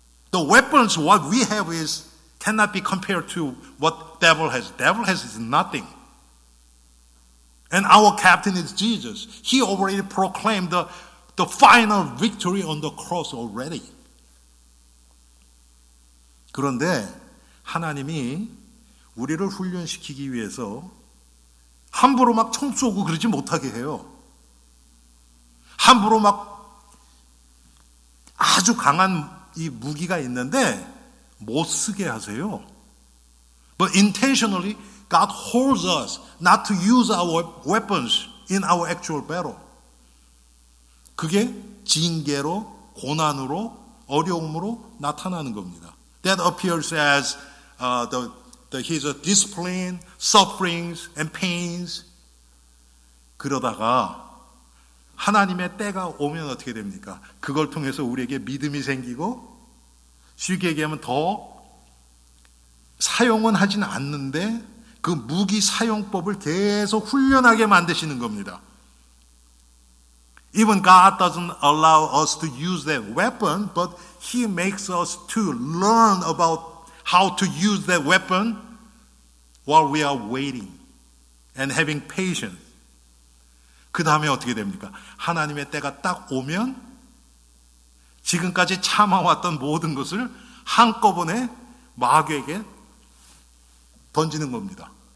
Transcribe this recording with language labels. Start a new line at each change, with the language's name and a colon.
English: The weapons what we have is cannot be compared to what devil has. Devil has is nothing. And our captain is Jesus. He already proclaimed the final victory on the cross already.
Korean: 그런데 하나님이 우리를 훈련시키기 위해서 함부로 막 총 쏘고 그러지 못하게 해요. 함부로 막 아주 강한 이 무기가 있는데 못 쓰게 하세요.
English: But intentionally, God holds us not to use our weapons in our actual battle.
Korean: 그게 징계로, 고난으로, 어려움으로 나타나는 겁니다.
English: That appears as his discipline, sufferings, and pains.
Korean: 그러다가 하나님의 때가 오면 어떻게 됩니까? 그걸 통해서 우리에게 믿음이 생기고, 쉽게 얘기하면 더 사용은 하진 않는데 그 무기 사용법을 계속 훈련하게 만드시는 겁니다.
English: Even God doesn't allow us to use that weapon, but He makes us to learn about how to use that weapon while we are waiting and having patience.
Korean: 그 다음에 어떻게 됩니까? 하나님의 때가 딱 오면 지금까지 참아왔던 모든 것을 한꺼번에 마귀에게 던지는 겁니다.